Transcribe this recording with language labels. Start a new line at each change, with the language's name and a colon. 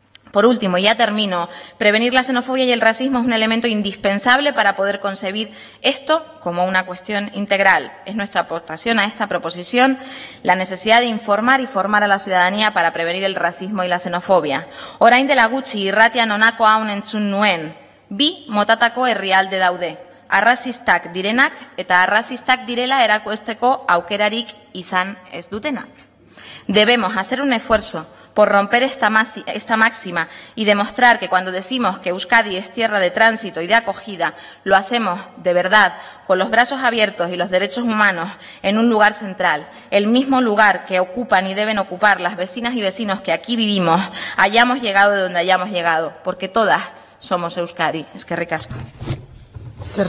Spanish: Por último, y ya termino, prevenir la xenofobia y el racismo es un elemento indispensable para poder concebir esto como una cuestión integral. Es nuestra aportación a esta proposición la necesidad de informar y formar a la ciudadanía para prevenir el racismo y la xenofobia.
Basque: Orain dela gutxi irratian honako hau entzun nuen, bi motatako herrialde daude, arrazistak direnak eta arrazistak direla erakusteko aukerarik izan ez dutenak.
Spanish: Debemos hacer un esfuerzo por romper esta máxima y demostrar que cuando decimos que Euskadi es tierra de tránsito y de acogida, lo hacemos de verdad, con los brazos abiertos y los derechos humanos en un lugar central, el mismo lugar que ocupan y deben ocupar las vecinas y vecinos que aquí vivimos, hayamos llegado de donde hayamos llegado, porque todas somos Euskadi.
Basque: Eskerrik asko.